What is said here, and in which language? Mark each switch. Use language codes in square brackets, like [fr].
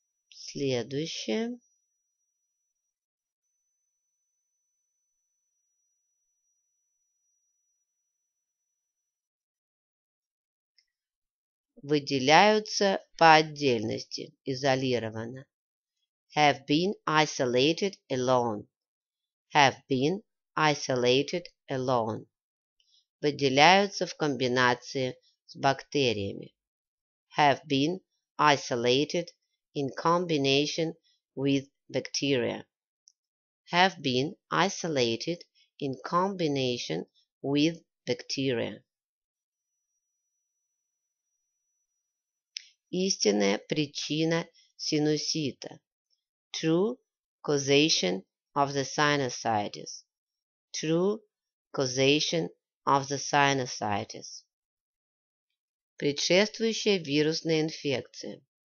[ru] Следующее. Выделяются по отдельности, изолированно. [en] Have been isolated alone. Have been isolated alone. [ru] Выделяются в комбинации с бактериями. [en] Have been isolated in combination with bacteria. Have been isolated in combination with bacteria. [ru] Истинная причина синусита. [en] True causation of the sinusitis. True causation of the sinusitis. [ru] Предшествующая вирусная инфекция.